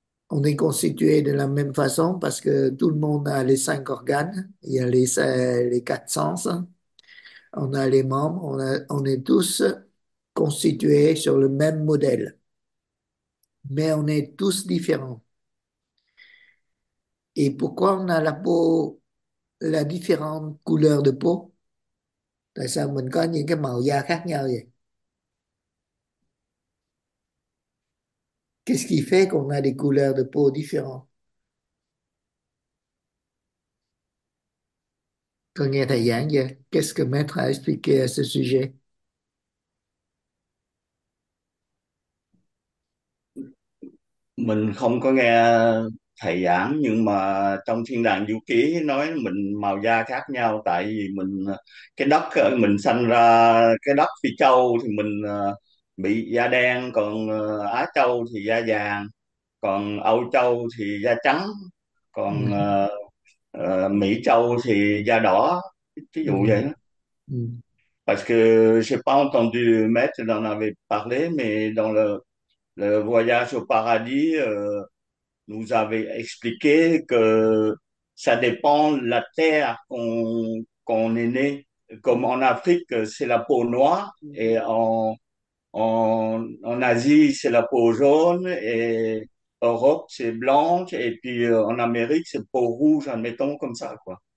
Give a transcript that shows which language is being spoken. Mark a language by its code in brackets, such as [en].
[fr] On est constitué de la même façon parce que tout le monde a les cinq organes, il y a les quatre sens, on a les membres, on est tous constitués sur le même modèle. Mais on est tous différents. Et pourquoi on a la peau, la différente couleur de peau? [vi] Tại sao mình có những cái màu da khác nhau vậy? [fr] Qu'est-ce qui fait qu'on a des couleurs de peau différentes? [vi] Tôi nghe thầy giảng vậy. [fr] Qu'est-ce que maître a expliqué à ce sujet? [vi] Mình không có nghe thầy giảng, nhưng mà trong thiên đàng du ký nói mình màu da khác nhau, tại vì cái đất mình sanh ra, cái đất Phi Châu thì mình bị da đen, còn Á Châu thì da vàng, còn Âu Châu thì da trắng, còn Mỹ Châu thì da đỏ, ví dụ vậy đó. [fr] Parce que j'ai pas entendu maître en avait parlé, mais dans le voyage au paradis nous avait expliqué que ça dépend de la terre qu'on est né. Comme en Afrique, c'est la peau noire, et en Asie, c'est la peau jaune, et Europe, c'est blanche, et puis en Amérique, c'est peau rouge, admettons comme ça, quoi.